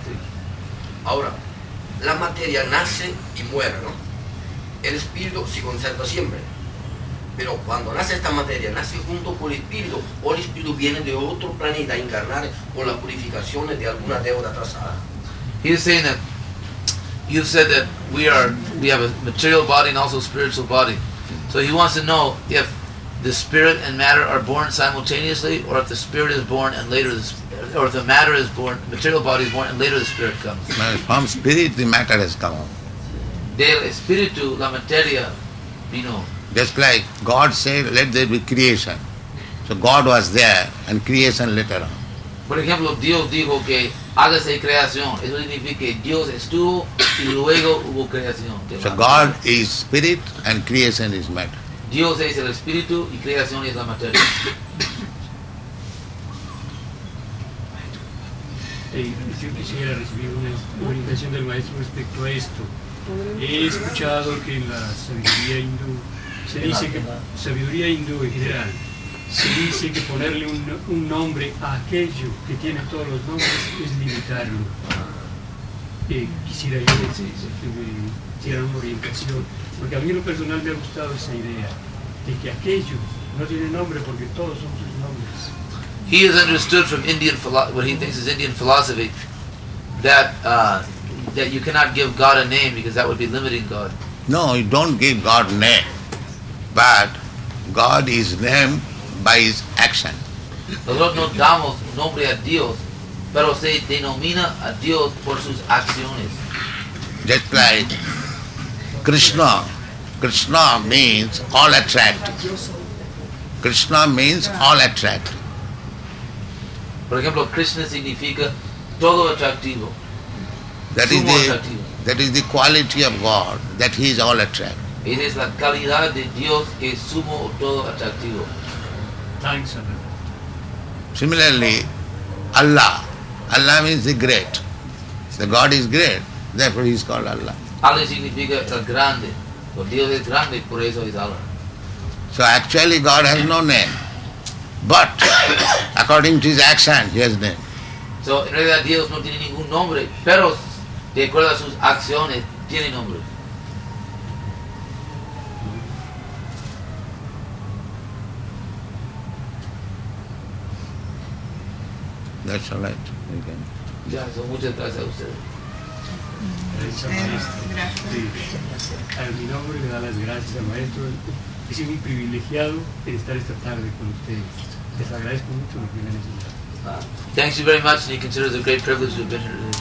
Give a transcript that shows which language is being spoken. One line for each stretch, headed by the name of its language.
Spanish: Sí. Ahora, la materia nace y muere, ¿no? El espíritu se conserva siempre. Pero cuando nace esta materia, nace junto con el espíritu, o el espíritu viene de otro planeta a encarnar con las purificaciones de alguna deuda atrasada.
English: He's saying that you said that we have a material body and also a spiritual body. So he wants to know if the spirit and matter are born simultaneously, or if the spirit is born and later if the matter is born, material body is born and later the spirit comes. From spirit the matter has come.
Spanish: Del espíritu la materia vino.
English: Just like God said, let there be creation. So God was there and creation later on.
Spanish: Por ejemplo, Dios dijo que hágase creación. Eso significa que Dios estuvo y luego hubo creación.
English: So God is spirit and creation is matter.
Spanish: Dios es el espíritu y creación es la materia. Hey, yo quisiera recibir una orientación del maestro respecto a esto. He escuchado que en la sabiduría hindú, se dice que, sabiduría hindú en general, se dice que ponerle un nombre a aquello que tiene todos los nombres es limitarlo. Quisiera yo que me dieran una orientación, porque a mí en lo personal me ha gustado esa idea de que aquello no tiene nombre porque todos son sus nombres.
English: He has understood from Indian what he thinks is Indian philosophy that you cannot give God a name because that would be limiting God. No, you don't give God a name, but God is name by his action.
Spanish: Nosotros no damos nombre a Dios, pero se denomina a Dios por sus acciones.
English: Just like Krishna. Krishna means all attractive. Krishna means all attractive.
Spanish: Por ejemplo, Krishna significa todo attractivo.
English: That is the attractivo. That is the quality of God, that he is all attractive.
Spanish: Esa es la calidad de Dios, que es sumo o todo attractivo.
English: Thanks. Similarly, Allah. Allah means the great. The God is great, therefore he is called Allah.
Spanish: Allah significa el grande. O Dios es grande, por eso es Allah.
English: So actually God has no name. But according to his action, he has name. So in
Spanish: realidad Dios no tiene ningún nombre, pero de acuerdo a sus acciones tiene nombre.
English: That's all right. Again.
Spanish: Ya, son muchas gracias a usted. Gracias, maestro. Sí. A mi nombre le da las gracias al maestro. he sido muy privilegiado de estar esta tarde con ustedes. Les agradezco mucho lo que me han enseñado.
English: Thank you very much, and you consider it a great privilege to have been here.